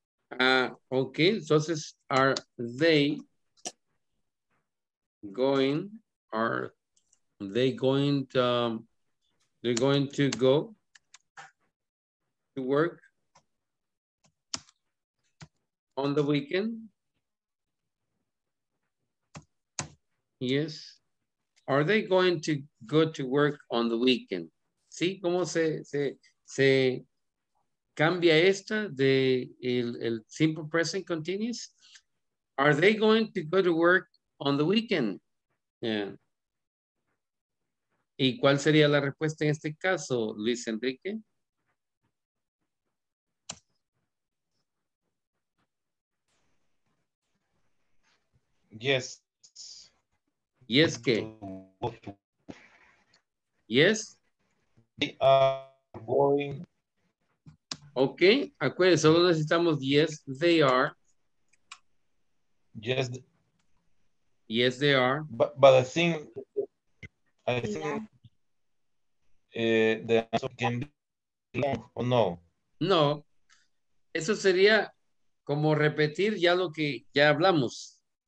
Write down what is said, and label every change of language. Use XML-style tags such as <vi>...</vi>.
<en>Okay, entonces, are they going, are they going to, they're going to go to work on the weekend? Yes. Are they going to go to work on the weekend?</en> <es>¿Sí? ¿Cómo se cambia esta de el simple present continuous?</es> <en>Are they going to go to work on the weekend?</en> <es>Yeah. ¿Y cuál sería la respuesta en este caso, Luis Enrique?</es> <en>Yes. Yes,</en> <es>¿qué?</es> <en>Yes. They are going.</en> <es>Ok, acuérdense, solo necesitamos</es> <en>yes, they are. Yes. Yes, they are. But I think the answer can be long or no.</en> <es>No, eso sería como repetir ya lo que ya hablamos.</es>